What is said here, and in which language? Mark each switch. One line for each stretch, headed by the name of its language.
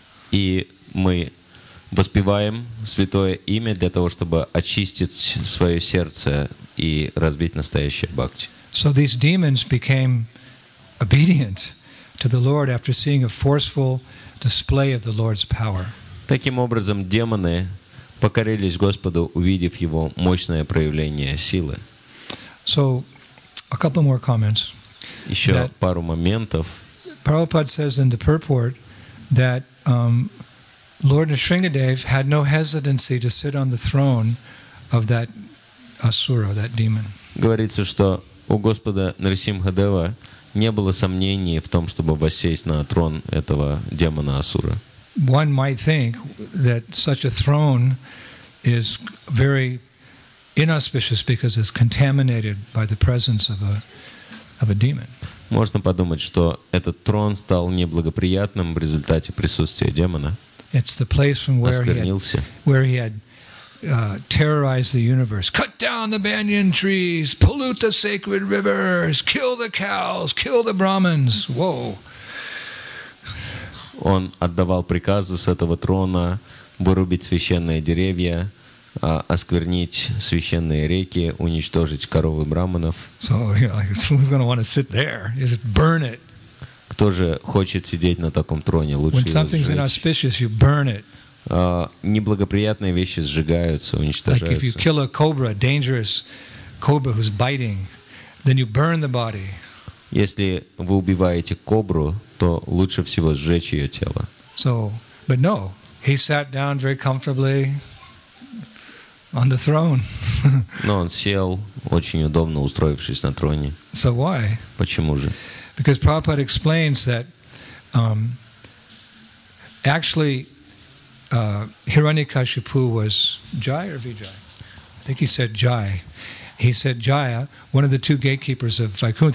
Russian: И мы воспеваем святое имя для того, чтобы очистить свое сердце и развить настоящее бхакти.
English: So these demons became obedient to the Lord after seeing a forceful display of the Lord's power.
Russian: Таким образом, демоны покорились Господу, увидев Его мощное проявление силы.
English: So, a couple more comments.
Russian: Еще пару моментов.
English: Prabhupada says in the purport that Lord Nrisingadev had no hesitancy to sit on the throne of that asura, that demon.
Russian: Говорится, что у Господа Нрисимхадева не было сомнений в том, чтобы воссесть на трон этого демона асура.
English: One might think that such a throne is very inauspicious because it's contaminated by the presence of a demon.
Russian: Можно подумать, что этот трон стал неблагоприятным в результате присутствия демона.
English: It's the place from where he had terrorized the universe. Cut down the banyan trees, pollute the sacred rivers, kill the cows, kill the Brahmins. Whoa.
Russian: Он отдавал приказы с этого трона вырубить священные деревья, осквернить священные реки, уничтожить коров и браманов.
English: So, who's going to want to сit there? Just burn it.
Russian: Кто же хочет сидеть на таком троне? Лучше его сжечь.
English: When something's inauspicious, you burn it.
Russian: Неблагоприятные вещи сжигаются, уничтожаются.
English: Like if you kill a cobra, dangerous cobra who's biting, then you burn the body.
Russian: Если вы убиваете кобру, то лучше всего сжечь ее тело.
English: So, but no, he sat down very comfortably on the throne.
Russian: Но он сел очень удобно, устроившись на троне.
English: So why?
Russian: Почему же?
English: Because Prabhupada explains that actually Hiranyakashipu was Jai or Vijay. I think he said Jai. He said Jaya, one of the two gatekeepers of Vaikunth.